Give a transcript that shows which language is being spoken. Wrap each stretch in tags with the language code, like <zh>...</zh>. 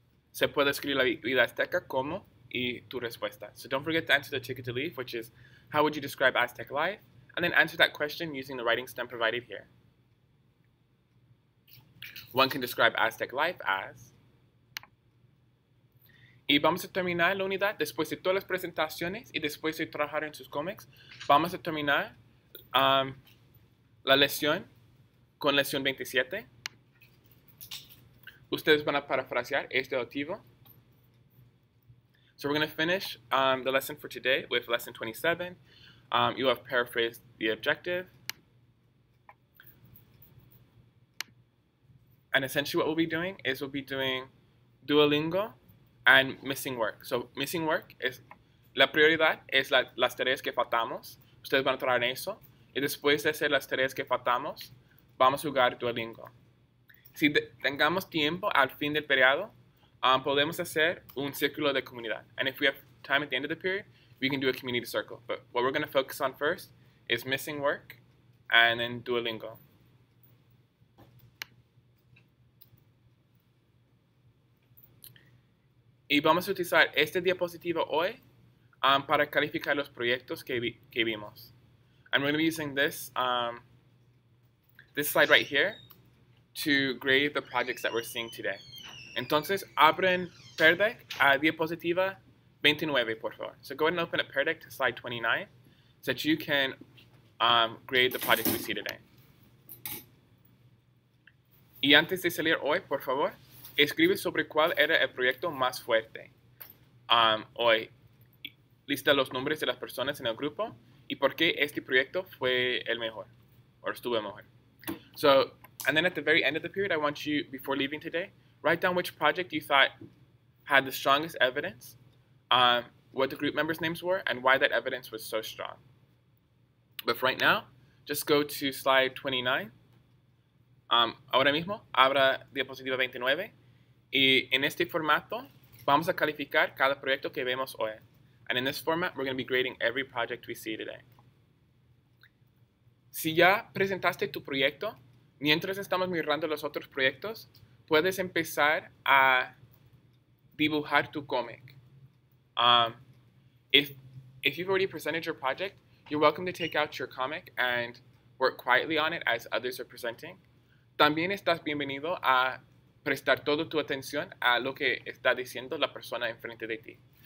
<es>Se puede escribir la vida azteca como y tu respuesta.</es> <en>So don't forget to answer the ticket to leave, which is how would you describe Aztec life? And then answer that question using the writing stem provided here. One can describe Aztec life as.</en> <es>Y vamos a terminar la unidad después de todas las presentaciones y después de trabajar en sus cómics. Vamos a terminar la lección con lección 27. Ustedes van a parafrasear este objetivo.</es> <en>So we're going to finish the lesson for today with lesson 27. You have paraphrased the objective. And essentially what we'll be doing is we'll be doing Duolingo and missing work. So missing work is</en> <es>la prioridad es las tareas que faltamos. Ustedes van a trabajar en eso. Y después de hacer las tareas que faltamos, vamos a jugar Duolingo. Si tengamos tiempo al fin del periodo, podemos hacer un círculo de comunidad.</es> <en>And if we have time at the end of the period, we can do a community circle. But what we're going to focus on first is missing work and then Duolingo.</en> <es>Y vamos a utilizar esta diapositiva hoy Para calificar los proyectos que vimos.</es> <en>I'm going to be using this this slide right here to grade the projects that we're seeing today.</en> <es>Entonces, abren Pear Deck a diapositiva 29, por favor.</es> <en>So go ahead and open a Pear Deck to slide 29 so that you can grade the projects we see today.</en> <es>Y antes de salir hoy, por favor, escribe sobre cuál era el proyecto más fuerte hoy. Lista los nombres de las personas en el grupo y por qué este proyecto fue el mejor, or estuvo mejor.</es> <en>So, and then at the very end of the period, I want you, before leaving today, write down which project you thought had the strongest evidence, what the group members' names were, and why that evidence was so strong. But for right now, just go to slide 29.</en> <es>Ahora mismo, abra diapositiva 29. Y en este formato, vamos a calificar cada proyecto que vemos hoy.</es> <en>And in this format, we're going to be grading every project we see today.</en> <es>Si ya presentaste tu proyecto, mientras estamos mirando los otros proyectos, puedes empezar a dibujar tu cómic.</es> <en>If you've already presented your project, you're welcome to take out your comic and work quietly on it as others are presenting.</en> <es>También estás bienvenido a prestar toda tu atención a lo que está diciendo la persona enfrente de ti.</es>